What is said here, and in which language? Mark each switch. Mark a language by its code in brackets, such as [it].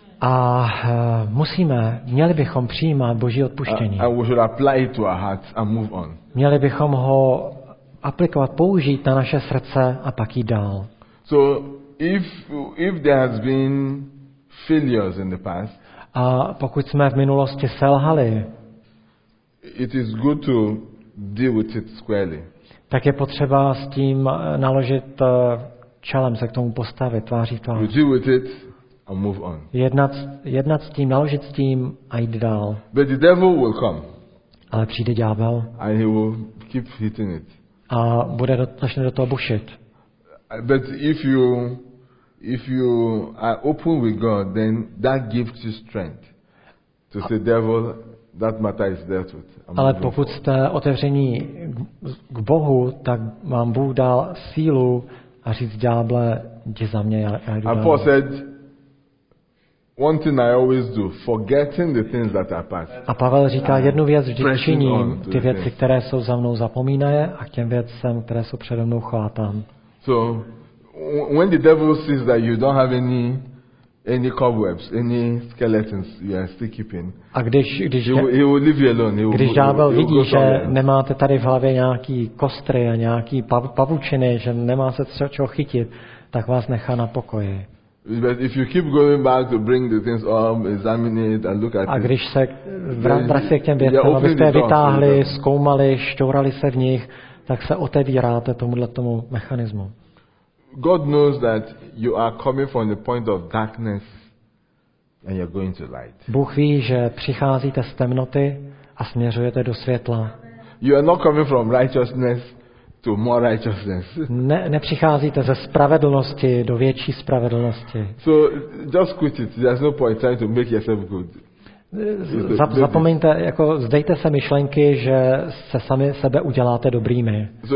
[cs] A musíme, měli bychom přijímat Boží odpuštění. [en] And we should apply it to our hearts and move on. [cs] Měli bychom ho aplikovat, použít na naše srdce a pak jít dál. [en] So if there has been failures in the past, [cs] a pokud jsme v minulosti selhali, [en] it is good to deal with it squarely. [cs] Tak je potřeba s tím naložit čelem, se k tomu postavit tváří v tvář. [en] You deal with it and move on. [cs] Jednat s tím, naložit s tím a jít dál. [en] But the devil will come. [cs] Ale přijde ďábel. [en] And he will keep hitting it. [cs] A bude začne do toho bušit. [en] But if you are open with God, then that gives you strength to say, devil, that matter is dealt with. [cs] Ale pokud jste otevření k Bohu, tak vám Bůh dal sílu a říct ďáble, jdi za mě. [en] And Paul said, one thing I always do, forgetting the things that are past. [cs] A Pavel říká, jednu věc vždy činím, ty věci, které jsou za mnou, zapomínaje, a k těm věcem, které jsou přede mnou, chvátám. [en] So when the devil sees that you don't have any cobwebs, any skeletons you are still keeping. [cs] A když [en] he will leave you alone. [cs] Když ďábel vidí, že nemáte tady v hlavě nějaký kostry a nějaký pavučiny, že nemá se čeho chytit, tak vás nechá na pokoji. [en] But if you keep going back to bring the things up, examine it and look at it. [cs] A když se vracíte k těm věcem, abyste je vytáhli, zkoumali, šťourali se v nich, tak se otevíráte tomuhle tomu mechanismu. [en] God knows that you are coming from the point of darkness and you're going to light. [cs] Bůh ví, že přicházíte z temnoty a směřujete do světla. [en] You are not coming from righteousness to more righteousness. [cs] Nepřicházíte ze spravedlnosti do větší spravedlnosti. [en] So just quit it. There's no point trying to make yourself good. [cs] Zapomeňte, jako zdejte se myšlenky, že se sami sebe uděláte dobrými.